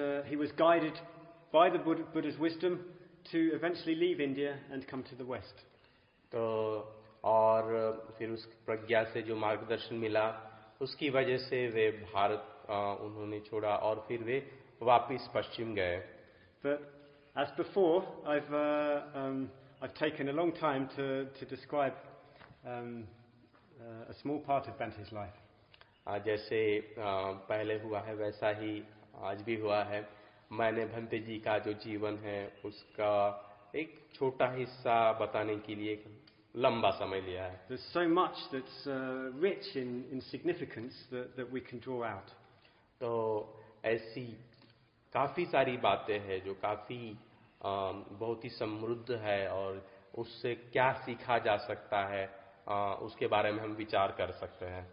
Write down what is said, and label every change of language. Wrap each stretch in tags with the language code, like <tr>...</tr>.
<en>He was guided by the Buddha's wisdom to eventually leave India and come to the West.</en> <hi>तो और फिर उस प्रज्ञा से जो मार्गदर्शन मिला उसकी वजह से वे भारत उन्होंने छोड़ा और फिर वे वापस पश्चिम गए.</hi> <en>But as before, I've taken a long time to describe a small part of Bhante's life.</en> <hi>जैसे पहले हुआ है वैसा ही आज भी हुआ है. मैंने भंते जी का जो जीवन है उसका एक छोटा हिस्सा बताने के लिए लंबा समय लिया है.</hi> <en>There's so much that's rich in significance that we can draw out.</en> <hi>तो ऐसी काफी सारी बातें हैं जो काफी बहुत ही समृद्ध है और उससे क्या सीखा जा सकता है उसके बारे में हम विचार कर सकते हैं.</hi>